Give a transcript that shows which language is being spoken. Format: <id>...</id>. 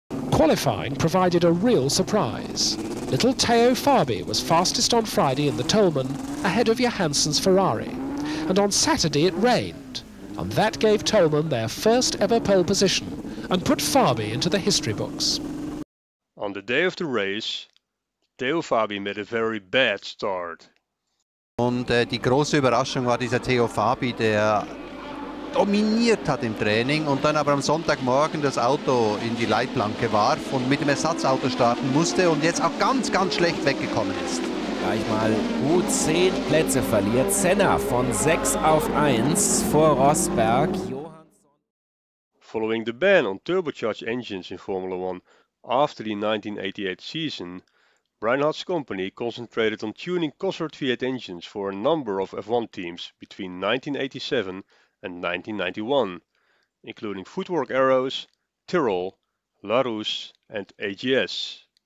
<en>Qualifying provided a real surprise. Little Theo Farby was fastest on Friday in the Toleman, ahead of Johansson's Ferrari. And on Saturday it rained, and that gave Toleman their first ever pole position and put Farby into the history books. On the day of the race, Theo Farby made a very bad start.</en> <de>Und die große Überraschung war dieser Theo Farby, der dominiert hat im Training und dann aber am Sonntagmorgen das Auto in die Leitplanke warf und mit dem Ersatzauto starten musste und jetzt auch ganz, ganz schlecht weggekommen ist. Gleich mal gut 10 Plätze verliert Senna von 6 auf 1 vor Rosberg.</de> <en>Following the ban on turbocharged engines in Formula One after the 1988 season, Brian Hart's company concentrated on tuning Cosworth V8 engines for a number of F1 teams between 1987 and 1991, including Footwork Arrows, Tyrrell, Larousse and AGS.</en>